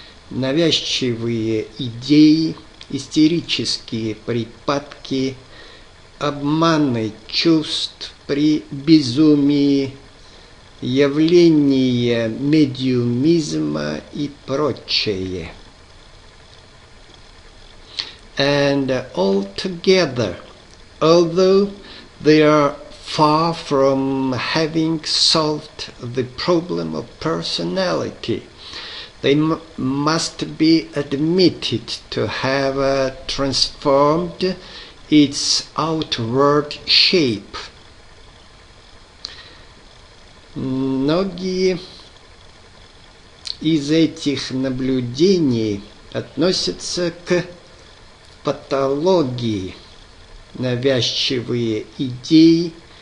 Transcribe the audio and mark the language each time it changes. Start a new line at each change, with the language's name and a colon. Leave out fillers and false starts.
Russian: Навязчивые идеи, истерические припадки, обманы чувств при безумии, явления медиумизма и прочее.
English: And altogether, although they are far from having solved the problem of personality, they must be admitted to have transformed its outward shape.
Russian: Многие из этих наблюдений относятся к патологии, навязчивые идеи,